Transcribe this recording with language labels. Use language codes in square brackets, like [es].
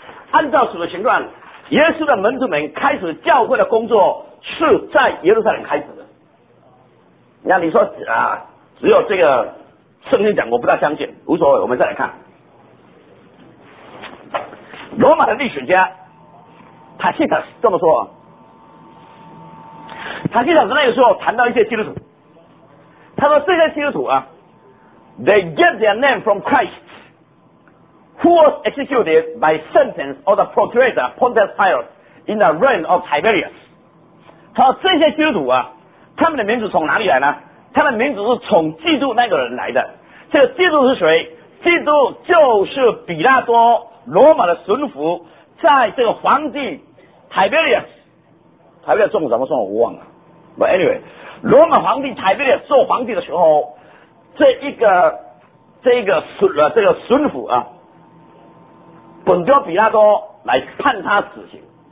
[zh] 按照使徒行传，耶稣的门徒们开始教会的工作是在耶路撒冷开始的。那你说啊，只有这个圣经讲，我不大相信，无所谓，我们再来看罗马的历史家塔西塔斯这么说。塔西塔斯那个时候谈到一些基督徒，他说这些基督徒啊， [en] They get their name from Christ who was executed by sentence of the procurator Pontius Pilate in the reign of Tiberius。 [zh] 他说这些基督徒啊，他们的名字从哪里来呢？他们的名字是从基督那个人来的。这个基督是谁？基督就是比拉多，罗马的巡抚，在这个皇帝 Tiberius 中怎么说我忘了， [en] But anyway， [zh] 罗马皇帝 Tiberius 做皇帝的时候，这个巡抚啊，本丢比拉多来判他死刑。